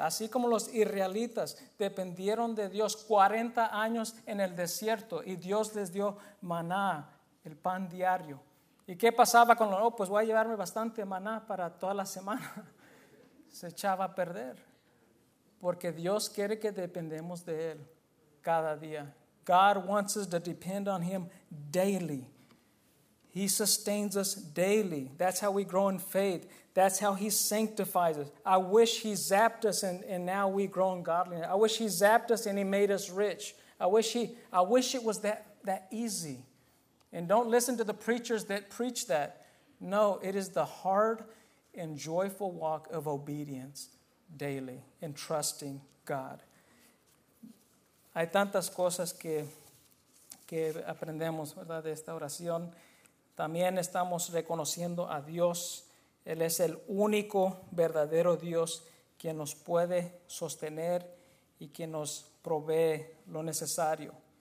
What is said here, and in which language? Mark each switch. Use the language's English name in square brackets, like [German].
[Spanish] Así como los israelitas dependieron de Dios 40 años en el desierto y Dios les dio maná, el pan diario. ¿Y qué pasaba con los? Oh, pues voy a llevarme bastante maná para toda la semana. Se echaba a perder. Porque Dios quiere que dependemos de Él cada día. [English] God wants us to depend on Him daily. He sustains us daily. That's how we grow in faith. That's how He sanctifies us. I wish He zapped us and now we grow in godliness. I wish He zapped us and He made us rich. I wish it was that easy. And don't listen to the preachers that preach that. No, it is the hard and joyful walk of obedience daily and trusting God. [Spanish] Hay tantas cosas que aprendemos, ¿verdad?, de esta oración. También estamos reconociendo a Dios. Él es el único verdadero Dios quien nos puede sostener y quien nos provee lo necesario.